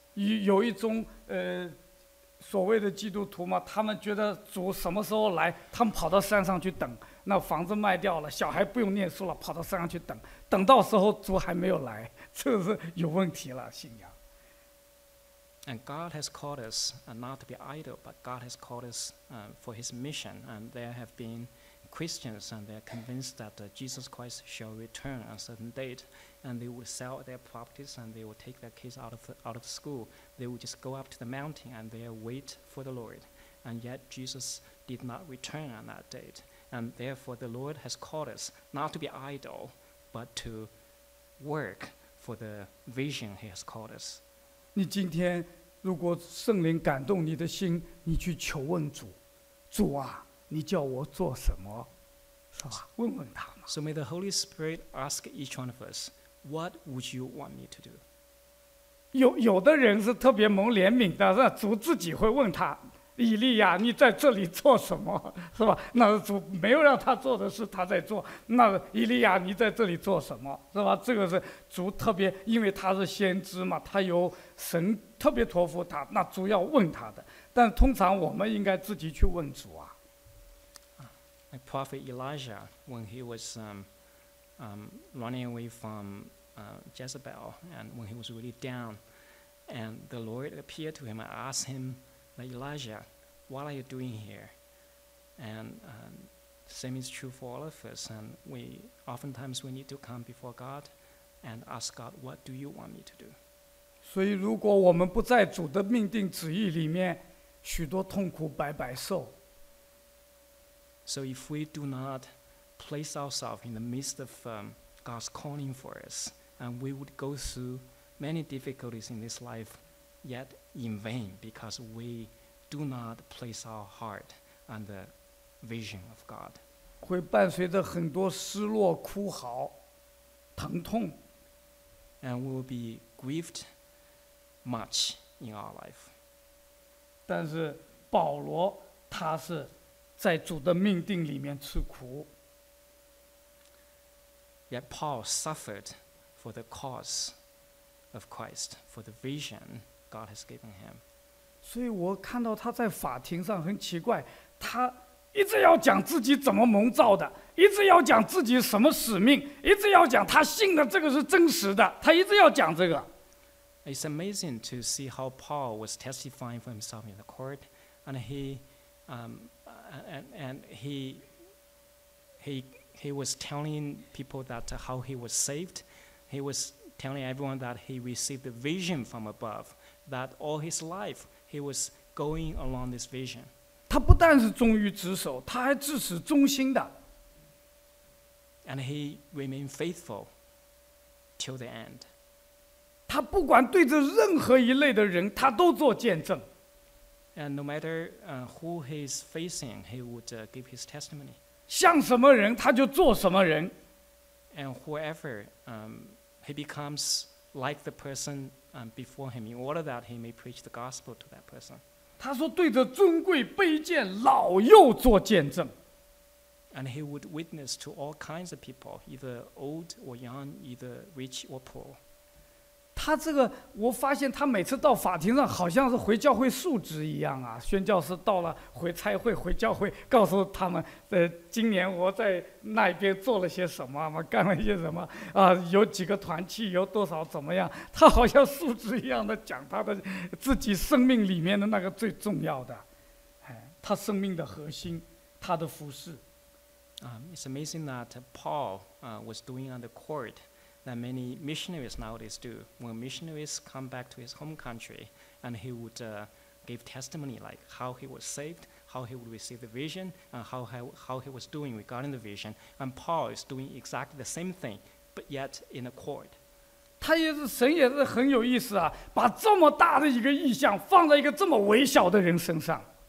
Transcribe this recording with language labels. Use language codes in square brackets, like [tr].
[zh] 有一种所谓的基督徒嘛，他们觉得主什么时候来，他们跑到山上去等。那房子卖掉了，小孩不用念书了，跑到山上去等。等到时候主还没有来，这是有问题了，信仰。 [en] And God has called us not to be idle, but God has called us for his mission. And there have been Christians, and they are convinced that Jesus Christ shall return on a certain date. And they will sell their properties, and they will take their kids out of school. They will just go up to the mountain, and they will wait for the Lord. And yet Jesus did not return on that date. And therefore the Lord has called us not to be idle, but to work for the vision he has called us. [zh] 你今天如果圣灵感动你的心，你去求问主，主啊，你叫我做什么，是吧？问问他嘛。 [en] So may the Holy Spirit ask each one of us, what would you want me to do? [zh] 有的人是特别蒙怜悯的，是吧？主自己会问他，以利亚，你在这里做什么，是吧？那主没有让他做的事，他在做。那以利亚，你在这里做什么，是吧？这个是主特别，因为他是先知嘛，他有。神特别托付他，那主要问他的。但通常我们应该自己去问主啊。 [en] Like Prophet Elijah, when he was running away from Jezebel, and when he was really down, and the Lord appeared to him and asked him, Elijah, what are you doing here? And same is true for all of us. And we oftentimes we need to come before God and ask God, what do you want me to do? [zh] 所以如果我们不在主的命定旨意里面许多痛苦白白受 [en] So if we do not place ourselves in the midst of God's calling for us, and we would go through many difficulties in this life, yet in vain, because we do not place our heart on the vision of God. [zh] 会伴随着很多失落、哭嚎、疼痛。 [en] And we will be grieved much in our life. [zh] 但是保罗他是在主的命定里面吃苦。 [en] Yet Paul suffered for the cause of Christ, for the vision God has given him. [zh] 所以我看到他在法庭上很奇怪，他一直要讲自己怎么蒙召的，一直要讲自己什么使命，一直要讲他信的这个是真实的，他一直要讲这个。 [en] It's amazing to see how Paul was testifying for himself in the court, and he was telling people that how he was saved. He was telling everyone that he received a vision from above, that all his life he was going along this vision. [zh] 他不但是忠于职守，他还至死忠心的。 [en] And he remained faithful till the end. [zh] 他不管对着任何一类的人，他都做见证。 [en] And no matter who he's facing, he would give his testimony. [zh] 像什么人，他就做什么人。 [en] And whoever he becomes like the person before him, in order that he may preach the gospel to that person. [zh] 他说对着尊贵、卑贱、老幼做见证。 [en] And he would witness to all kinds of people, either old or young, either rich or poor. [zh] 他这个我发现他每次到法庭上好像是回教会述职一样啊，宣教师到了回差会回教会告诉他们今年我在那边做了些什么，干了些什么啊，有几个团契，有多少怎么样，他好像述职一样的讲他的自己生命里面的那个最重要的，他生命的核心，他的服事。 [en] It's amazing that Paul was doing on the court that many missionaries nowadays do. When missionaries come back to his home country, and he would give testimony like how he was saved, how he would receive the vision, and how he was doing regarding the vision. And Paul is doing exactly the same thing, but yet in a court. [zh] 他也是神也是很有意思啊，把这么大的一个意象放在一个这么微小的人身上。